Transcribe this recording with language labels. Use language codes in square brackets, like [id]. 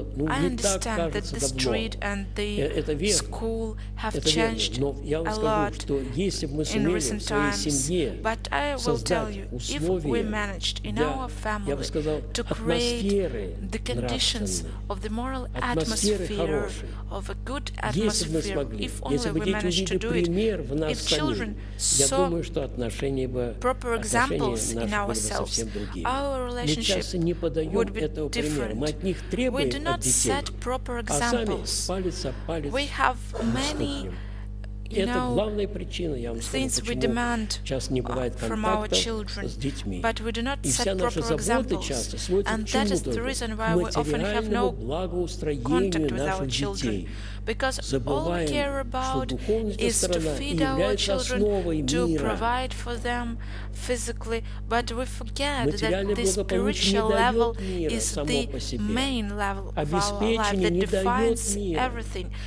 [en] I understand that the street and the school have changed a lot in recent times, but I will tell you, if we managed in our family to create the conditions of the moral atmosphere, of a good atmosphere, if only we managed to do it, if children saw proper examples in ourselves, our relationship would be different. We do not set proper examples. We have many [ru] Это главная причина, я вам скажу, почему сейчас не бывает контакта с детьми. И вся наша забота часто сводится к материальному благоустроению наших детей. [en] Because all we care about is to feed our children, to provide for them physically, but we forget that the spiritual level is the main level of our life that defines everything.